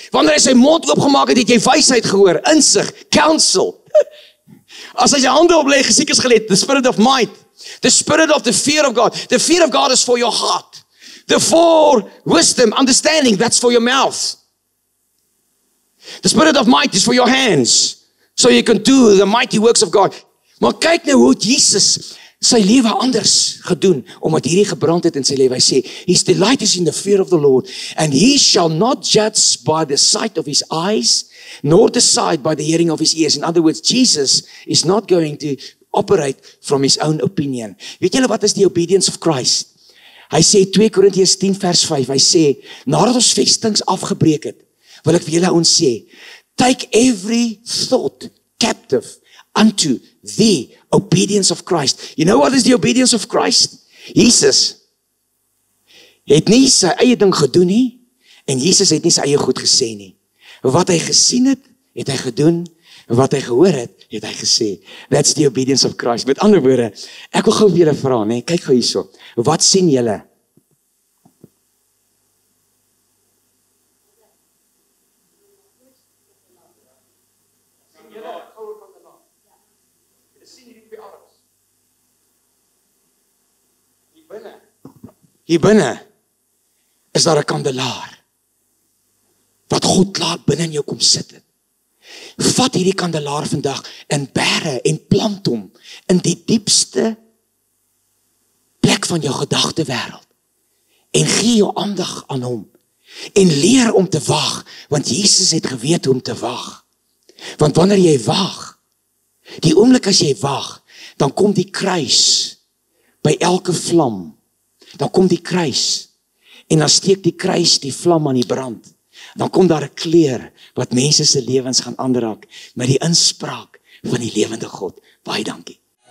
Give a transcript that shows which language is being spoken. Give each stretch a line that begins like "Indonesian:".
Afrikaans: Wanneer hy sy mond oopgemaak het, het jy wysheid gehoor, insig, counsel. As hy sy hande opleg, gesiek is gelet,
English: the spirit of might, the spirit of the fear of God, the fear of God is for your heart, the for wisdom, understanding, that's for your mouth, the spirit of might is for your hands, so you can do the mighty works of God.
Afrikaans: Maar kyk nou hoe Jesus sy lewe anders gedoen, omdat hierdie gebrand het in sy lewe. Hy sê,
English: his delight is in the fear of the Lord, and he shall not judge by the sight of his eyes, nor decide by the hearing of his ears. In other words, Jesus is not going to operate from his own opinion.
Afrikaans: Weet julle wat is die
English: obedience of Christ?
Afrikaans: Hy sê 2 Korintiërs 10 vers 5, hy sê, nadat ons vestings afgebreek het, wil ek vir julle ons sê,
English: take every thought captive unto the obedience of Christ. You know what is the obedience of Christ?
Afrikaans: Jesus het nie sy eie ding gedoen nie, en Jesus het nie sy eie goed gesê nie. Wat hy gesien het, het hy gedoen. Wat hy gehoor het hy gesê.
English: That's the obedience of Christ.
Afrikaans: Met ander woorde, ek wil gou vir julle vra, nee, kyk gou hierso. Wat sien julle? Sien julle 'n goue kandelaar? Ja. Jy sien hierdie twee arms. hier binnen is daar een kandelaar. Wat God laat binnen in jou kom sit het. Vat hierdie kandelaar vandag en bere en plant hom in die diepste plek van jou gedagte wereld. En gee jou aandag aan hom. En leer om te wag, want Jesus het geweet hoe om te wag. Want wanneer jy wag, die oomblik as jy wag, dan kom die kruis by elke vlam. Dan kom die kruis en dan steek die kruis die vlam aan die brand. Dan kom daar 'n kleur wat mense se lewens gaan aanraak met die inspraak van die lewende God. Baie dankie.